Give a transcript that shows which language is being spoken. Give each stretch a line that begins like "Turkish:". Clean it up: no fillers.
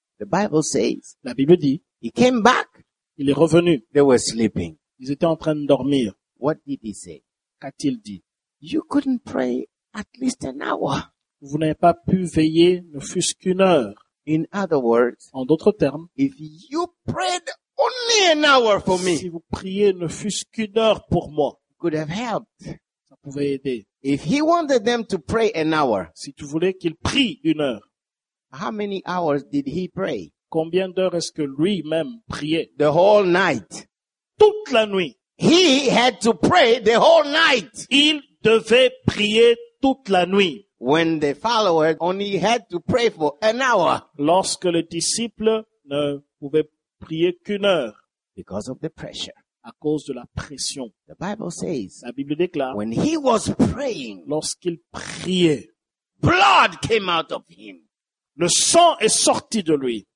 English: The Bible says.
French: La Bible dit.
English: He came back.
French: Il est revenu.
English: They were sleeping.
French: Ils étaient en train de dormir.
English: What did he say?
French: qu'a-t-il dit?
English: You couldn't pray at least an hour.
French: Vous n'avez pas pu veiller ne fût-ce qu'une heure.
English: In other words,
French: en d'autres termes,
English: if you prayed only an hour for me,
French: si vous priez ne fût-ce qu'une heure pour moi,
English: could have helped.
French: Ça pouvait aider.
English: If he wanted them to pray an hour,
French: si tu voulais qu'il prie une heure,
English: how many hours did he pray?
French: Combien d'heures est-ce que lui-même priait?
English: The whole night.
French: Toute la nuit.
English: He had to pray the whole night.
French: Il devait prier toute la nuit.
English: When the followers only had to pray for an hour.
French: Lorsque le disciple ne pouvait prier qu'une heure.
English: Because of the pressure.
French: À cause de la pression.
English: The Bible says,
French: la Bible déclare,
English: when he was praying,
French: lorsqu'il priait,
English: blood came out of him.
French: Le sang est sorti de lui.